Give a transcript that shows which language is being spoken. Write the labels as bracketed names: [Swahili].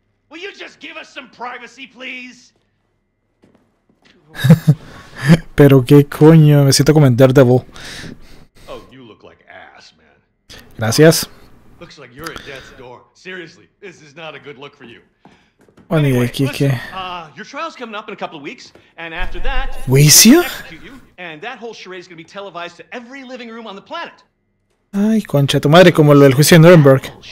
[English] Will you just give us some privacy, please? [Spanish] Pero qué coño, me siento como en Daredevil. [English] Oh, you look like ass, man. [Spanish] Gracias. [English] Looks like you're at death's door. Seriously, this is not a good look for you. [Spanish] Bueno, anyway, ¿qué? [English] Your trial's coming up in a couple of weeks, and after that... [Spanish] ¿Juicio? [English] And that whole charade is going to be televised to every living room on the planet. [Spanish] Ay, concha tu madre, como lo del juicio de Nuremberg.